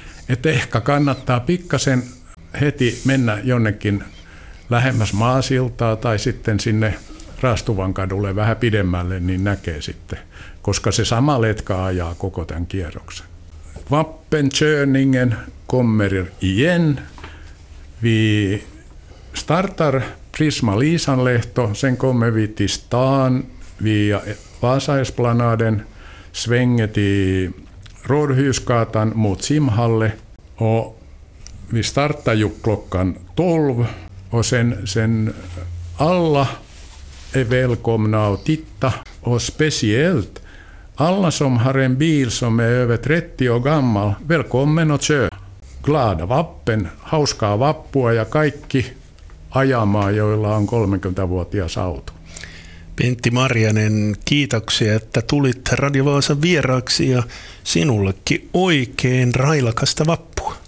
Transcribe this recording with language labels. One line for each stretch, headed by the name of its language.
Finnish: Että ehkä kannattaa pikkasen heti mennä jonnekin lähemmäs Maasiltaa tai sitten sinne Raastuvan kadulle vähän pidemmälle, niin näkee sitten, koska se sama letka ajaa koko tämän kierroksen.
Swedish: Vappenkörningen kommer igen. Vi startar Prisma Liisanlehto, sen kommer vi till stan via Vasaesplanaden, svänget i Rådhusgatan mot simhalle och vi startar ju klockan 12 och sen alla är välkomna och titta och speciellt alla som har en bil som är över 30 år gammal, välkommen och kör. Glada vappen,
Finnish: hauskaa vappua ja kaikki ajamaan, joilla on 30-vuotias auto. Pentti Marjanen, kiitoksia, että tulit Radio Vaasan vieraaksi ja sinullekin oikein railakasta vappua.